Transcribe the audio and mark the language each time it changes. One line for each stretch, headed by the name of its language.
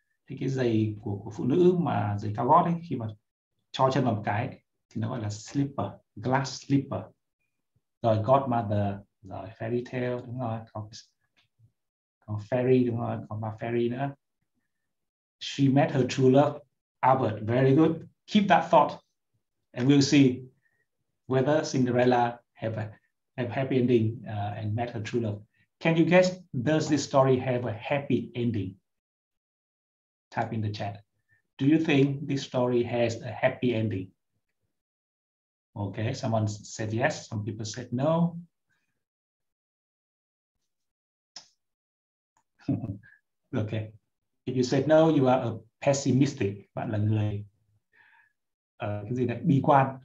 Vietnamese: Thì cái giày của phụ nữ mà giày cao gót ấy, khi mà cho chân vào một cái thì nó gọi là slipper, glass slipper. Rồi godmother, rồi fairy tale, đúng rồi. Còn fairy, đúng rồi, còn ma fairy nữa.
English: She met her true love, Albert. Very good. Keep that thought and we'll see whether Cinderella have a happy ending and met her true love. Can you guess, does this story have a happy ending? Type in the chat. Do you think this story has a happy ending? Okay, someone said yes, some people said no. Okay, if you said no, you are a pessimistic.
Vietnamese: Bạn là người cái gì đấy, bi quan.